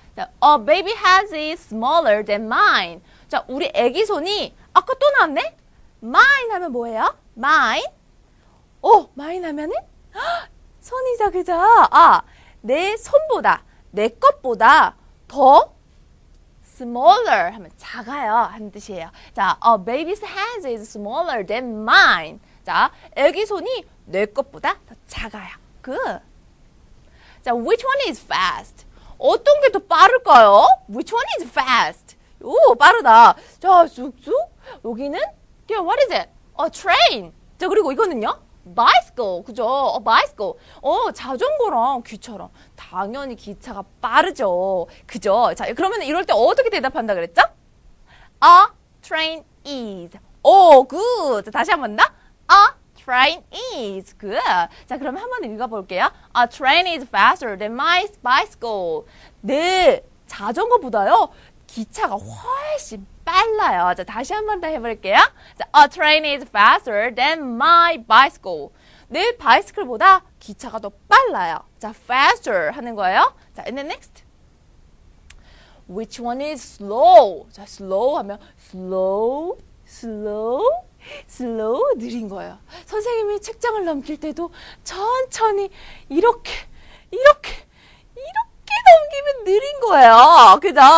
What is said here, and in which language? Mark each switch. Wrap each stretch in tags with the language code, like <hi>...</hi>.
<en>자, a baby hands is smaller than mine.</en> <ko>자, 우리 아기 손이 아까 또 나왔네? Mine 하면 뭐예요? Mine. 오, mine 하면은 손이죠, 그죠? 아, 내 손보다, 내 것보다 더 smaller 하면 작아요 하는 뜻이에요.</ko> <en>자, a baby's hands is smaller than mine.</en> <ko>자, 아기 손이 내 것보다 더 작아요.</ko> <en>Good. 자, which one is fast?</en> <ko>어떤 게 더 빠를까요?</ko> <en>Which one is fast?</en> <ko>오, 빠르다. 자, 쑥쑥. 여기는?</ko> <en>Yeah, what is it? A train.</en> <ko>자, 그리고 이거는요? Bicycle. 그죠?</ko> <en>A bicycle.</en> <ko>어, 자전거랑 귀처럼. 당연히 기차가 빠르죠. 그죠? 자, 그러면 이럴 때 어떻게 대답한다 그랬죠?</ko> <en>A train is.</en> <ko>오, good. 자, 다시 한 번 더.</ko> <en>A train is. Good.</en> <ko>자, 그러면 한번 읽어볼게요.</ko> <en>A train is faster than my bicycle.</en> <ko>네, 자전거보다요. 기차가 훨씬 빨라요. 자, 다시 한 번 더 해볼게요.</ko> <en>자, a train is faster than my bicycle.</en> <ko>내 바이스클보다 기차가 더 빨라요.</ko> <en>자, faster</en> <ko>하는 거예요.</ko> <en>자, and then next. Which one is slow?</en> <ko>자, slow 하면 slow, slow, slow 느린 거예요. 선생님이 책장을 넘길 때도 천천히 이렇게, 이렇게, 이렇게 넘기면 느린 거예요. 그죠?</ko>